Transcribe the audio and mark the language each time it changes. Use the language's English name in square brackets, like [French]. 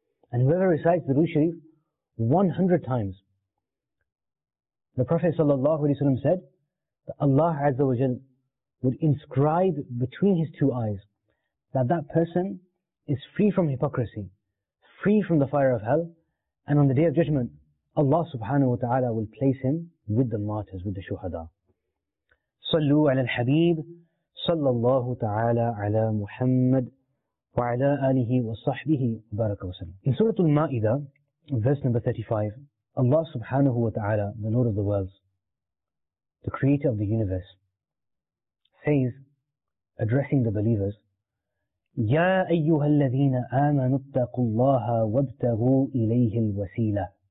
[English] And whoever recites Durood Sharif 100 times, the Prophet Sallallahu Alaihi Wasallam said that Allah Azza wa Jal would inscribe between his two eyes that that person is free from hypocrisy, free from the fire of hell, and on the Day of Judgment, Allah Subhanahu Wa Ta'ala will place him with the martyrs, with the shuhada. [Arabic] صلوا على الحبيب صلى الله تعالى على محمد وعلى آله وصحبه بارك وسلم. [English] In Surah Al-Ma'idah, verse number 35, Allah subhanahu wa ta'ala, the Lord of the worlds, the creator of the universe, says, addressing the believers, [Arabic] يا أيها الذين آمنوا اتقوا الله وابتغوا إليه الوسيلة